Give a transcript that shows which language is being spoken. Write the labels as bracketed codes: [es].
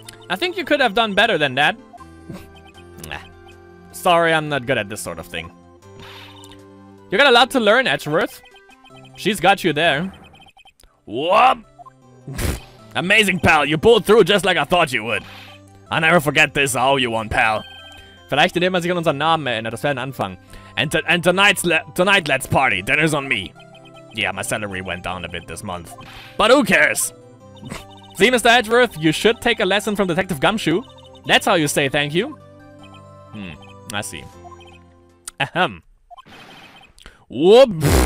[en] I think you could have done better than that. Sorry, I'm not good at this sort of thing. You got a lot to learn, Edgeworth. She's got you there. Whoop! Amazing, pal. You pulled through just like I thought you would. I never forget this. I owe you one, pal. [de] Vielleicht indem man sich an unseren Namen erinnert, das wäre ein Anfang. [en] And tonight, let's party. Dinner's on me. Yeah, my salary went down a bit this month. But who cares? See, Mr. Edgeworth, you should take a lesson from Detective Gumshoe. That's how you say thank you. I see. Ahem. Whoop.